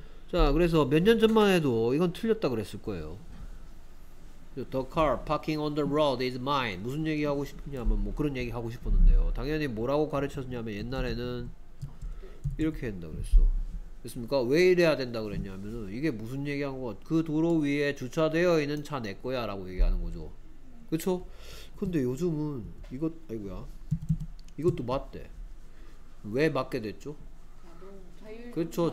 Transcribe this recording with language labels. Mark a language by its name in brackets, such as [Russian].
[Korean] 자, 그래서 몇 년 전만 해도 이건 틀렸다 그랬을 거예요. [English] The car parking on the road is mine. [Korean] 무슨 얘기 하고 싶냐면 뭐 그런 얘기 하고 싶었는데요. 당연히 뭐라고 가르쳤냐면 옛날에는 이렇게 한다 그랬어. 됐습니까? 왜 이래야 된다 그랬냐면 이게 무슨 얘기 한 거? 그 도로 위에 주차되어 있는 차 내 거야 라고 얘기하는 거죠. 그쵸? 근데 요즘은 이것, 아이고야. 이것도 맞대. 왜 맞게 됐죠? 그렇죠.